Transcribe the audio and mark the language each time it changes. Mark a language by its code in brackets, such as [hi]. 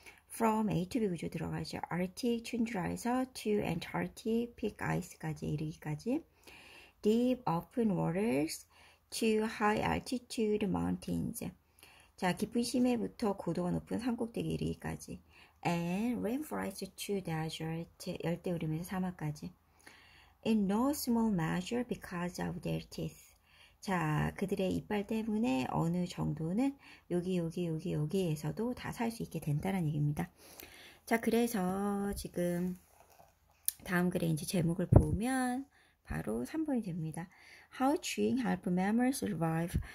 [en] From A to B [ko] 구조 들어가죠. [en] Arctic tundra에서 to Antarctic peak ice까지 이르기까지. Deep open waters to high altitude mountains. [ko] 자, 깊은 심해부터 고도가 높은 산꼭대기 이르기까지. [en] And rainforest to desert, [ko] 열대우림에서 사막까지. [en] In no small measure because of their teeth. [ko] 자, 그들의 이빨 때문에 어느 정도는 여기, 여기, 여기, 여기에서도 다살수 있게 된다는 얘기입니다. 자, 그래서 지금 다음 글에 이제 제목을 보면 바로 3번이 됩니다. [en] How chewing help mammals survive?